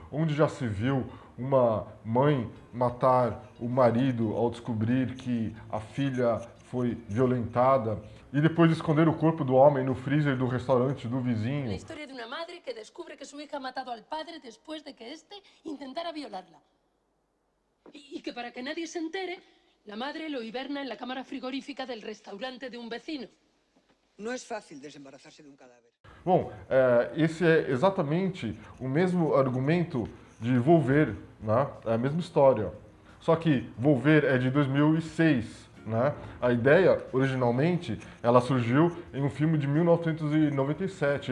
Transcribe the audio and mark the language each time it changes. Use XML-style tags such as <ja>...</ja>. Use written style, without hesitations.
<pt>Onde já se viu uma mãe matar o marido ao descobrir que a filha foi violentada e depois esconder o corpo do homem no freezer do restaurante do vizinho? A história de uma madre que descobre que sua filha matou ao padre depois de que este tentara violá-la.</pt> <es>E que para que nadie se entere, la madre lo hiberna en la cámara frigorífica del restaurante de un vecino. No es fácil desembarazarse de un cadáver.</es> <pt>Bom, esse é exatamente o mesmo argumento de Volver, né? É a mesma história. Só que Volver é de 2006, Né? A ideia, originalmente, ela surgiu em um filme de 1997.</pt>